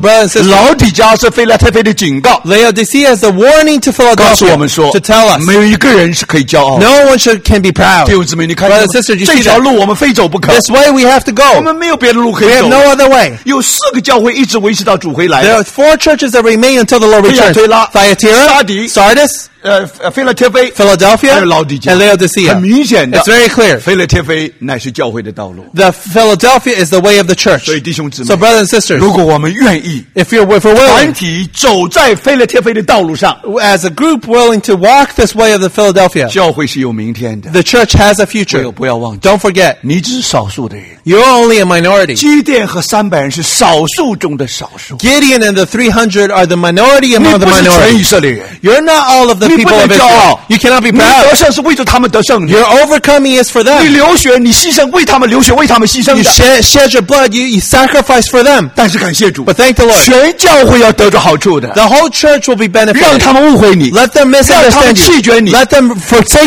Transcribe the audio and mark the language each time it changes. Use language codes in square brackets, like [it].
[en] So brothers and sisters [zh] 老底家是腓立帖腓的警告 [en] Laodicea is a warning to Philadelphia [zh] 告诉我们说 [en] To tell us [zh] 没有一个人是可以骄傲 [en] No one should can be proud [zh] 弟兄姊妹你看 [en] Brothers and sisters [zh] 这条路我们非走不可 [en] This way we have to go [zh] 我们没有别的路可以走 [en] We have no other way [zh] 有四个教会一直维持到主回来 [en] There are four churches that remain until the Lord returns [zh] 推拉 [en] Thyatira Sardis Philadelphia and Laodicea [zh] 很明显的 [en] It's very clear [zh] 腓立帖腓乃是教会的道路 [en] The Philadelphia is the way of the church [zh] 所以弟兄姊妹 [en] So brothers and sisters [zh] 如果我们愿意 [en] If you're willing [zh] 团体走在腓立帖腓的道路上 [en] As a group willing to walk this way of the Philadelphia [zh] 教会是有明天的 [en] The church has a future [zh] 不要忘记 [en] Don't forget [zh] 你只是少数的人 [en] You're only a minority [zh] 基甸和三百人是少数中的少数 [en] Gideon and the 300 are the minority among the minority [zh] 你不是全以色列人 [en] You're not all of the people You cannot be proud. [zh] 你得胜是为着他们得胜的。 [en] Your overcoming is for them. [zh] 你流血，你牺牲，为他们流血，为他们牺牲的。 [en] You shed your blood. You sacrifice for them. [zh] 但是感谢主。 [en] But thank the Lord. [zh] 全教会要得着好处的。 [en] The whole church will be benefited. [zh] 让他们误会你。 [en] Let them misunderstand you. [zh] 让他们弃绝你。 [en] Let them forsake you.